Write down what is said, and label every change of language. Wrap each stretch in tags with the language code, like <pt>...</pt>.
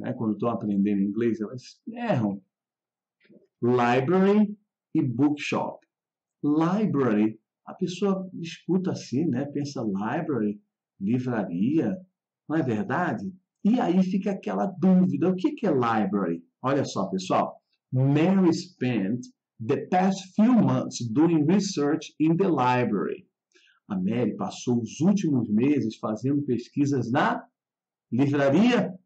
<pt>Quando estão aprendendo inglês, elas erram. Library e bookshop. Library, a pessoa escuta assim, né? Pensa library, livraria, não é verdade? E aí fica aquela dúvida: o que é library? Olha só, pessoal.</pt> <en>Mary spent the past few months doing research in the library.</en> <pt>A Mary passou os últimos meses fazendo pesquisas na livraria?</pt>